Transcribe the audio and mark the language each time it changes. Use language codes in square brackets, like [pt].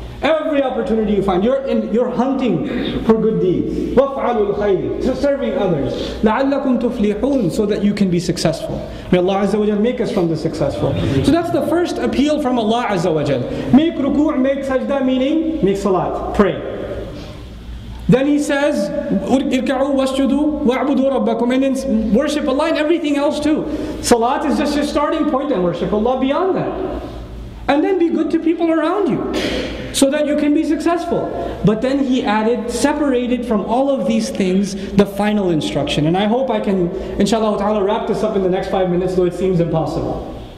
[en] Every opportunity you find, you're hunting for good deeds. [ar] وَفْعَلُوا الْخَيْرِ. [en] So serving others. [ar] لَعَلَّكُمْ تُفْلِحُونَ. [en] So that you can be successful. May Allah Azza wa Jal make us from the successful. So that's the first appeal from Allah Azza wa Jal. Make ruku', make sajda, meaning make salat, pray. Then He says, [ar] اِرْكَعُوا وَاسْجُدُوا وَاعْبُدُوا رَبَّكُمْ. [en] And then worship Allah and everything else too. Salat is just your starting point, and worship Allah beyond that. And then be good to people around you, so that you can be successful. But then he added, separated from all of these things, the final instruction. And I hope I can, inshallah ta'ala, wrap this up in the next 5 minutes, though it seems impossible.